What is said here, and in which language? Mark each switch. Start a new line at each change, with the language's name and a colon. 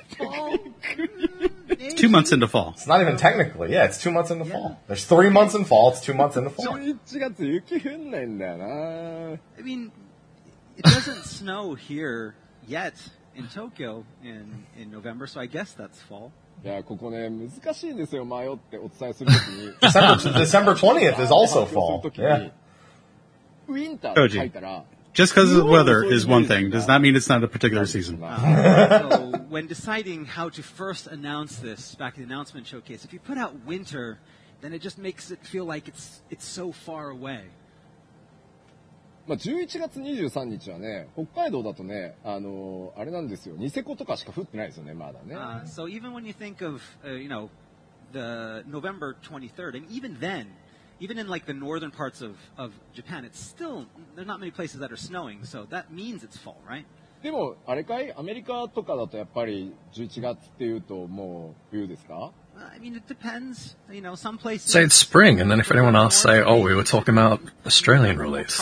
English: It's 2 months into fall. It's not even technically. Yeah, it's 2 months into fall. There's 3 months in fall. It's 2 months into fall. I mean, it doesn't snow here yet. In Tokyo in November, so I guess that's fall.
Japanese: Yeah, ここね難しいんですよ迷ってお伝えするときに
English: December 20th is also fall. Yeah.
Japanese: Winter って書いたら
English: Just because of the weather is one thing. Does not mean it's not a particular season. So when deciding how to first announce this back in the announcement showcase, if you put out winter, then it just makes it feel like it's so far away.
Japanese: まあ、11月23日はね、北海道だとね、あれなんですよ。ニセコとかしか降ってないですよね、まだね。
English: So even when you think of, you know, the November 23rd, and even then, even in like the northern parts of Japan, it's still, there's not many places that are snowing, so that means it's fall, right?
Japanese: でも、あれかい? アメリカとかだとやっぱり11月っていうともう冬ですか?
English: I mean, it depends. You know, some places say it's spring, and then if anyone asks, say, "Oh, we were talking about Australian release."